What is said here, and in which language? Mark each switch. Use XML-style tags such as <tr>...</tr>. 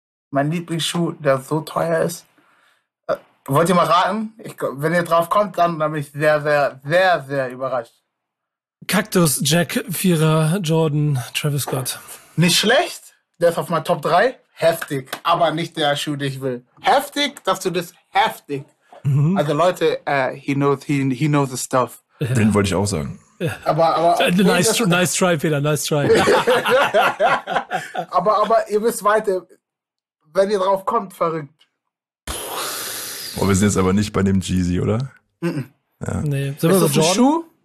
<de>Mein Lieblingsschuh, der so teuer ist. Wollt ihr mal raten? Wenn ihr drauf kommt, dann bin ich sehr, sehr, sehr, sehr überrascht. Cactus Jack 4er Jordan Travis Scott. Nicht schlecht, der ist auf meinem Top 3. Heftig, aber nicht der Schuh, den ich will. Heftig, dass du das heftig. Also Leute,</de> <en>he knows the stuff.</en> <de>Ja. Den wollte ich auch sagen. Ja. Aber</de> <en>nice try, Peter.</en> <de>aber ihr wisst weiter, wenn ihr drauf kommt, verrückt. Boah, wir sind jetzt aber nicht bei dem Jeezy, oder? Ja. Nee. Sind wir bei Jordan? Schuh?</de>